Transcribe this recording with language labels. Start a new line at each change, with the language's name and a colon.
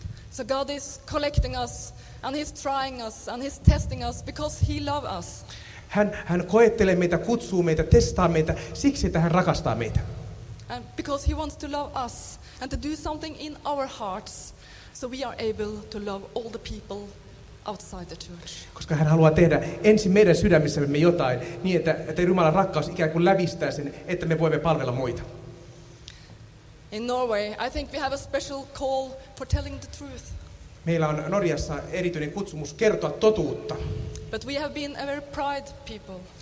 English: So God is collecting us and he's trying us and he's testing us because he loves us.
Finnish: Hän koettelee meitä, kutsuu meitä, testaa meitä siksi, että hän rakastaa meitä.
English: And because he wants to love us and to do something in our hearts so we are able to love all the people outside the church.
Finnish: Koska hän haluaa tehdä ensin meidän sydämissämme jotain niin, että Jumalan rakkaus ikään kuin lävistää sen, että me voimme palvella muita.
English: In Norway, I think we have a special call for telling the truth.
Finnish: Meillä on Norjassa erityinen kutsumus kertoa totuutta.
English: But we have been a very proud people.